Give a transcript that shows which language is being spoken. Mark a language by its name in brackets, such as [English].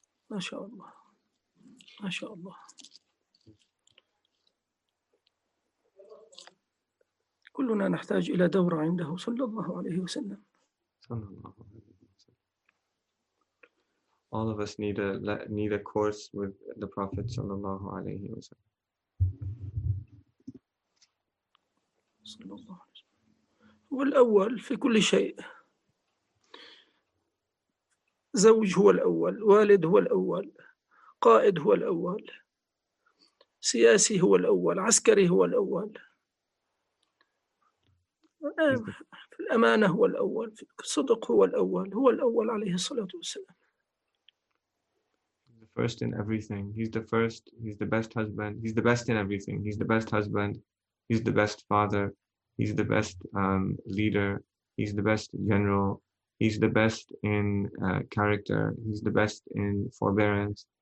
[Arabic] ما شاء الله ما شاء الله كلنا نحتاج إلى دورة عنده صلى الله عليه وسلم صلى الله عليه وسلم. [English] All of us need a course with the Prophet صلى الله عليه وسلم. [Arabic] صلى الله عليه وسلم هو الأول في كل شيء. زوج هو الأول، والد هو الأول، قائد هو الأول، سياسي هو الأول، عسكري هو الأول، في الأمانة هو الأول، في الصدق هو الأول، هو الأول عليه الصلاة والسلام. [English] He's the first in everything. He's the first. He's the best husband. He's the best in everything. He's the best husband. He's the best father. He's the best leader. He's the best general. He's the best in character. He's the best in forbearance.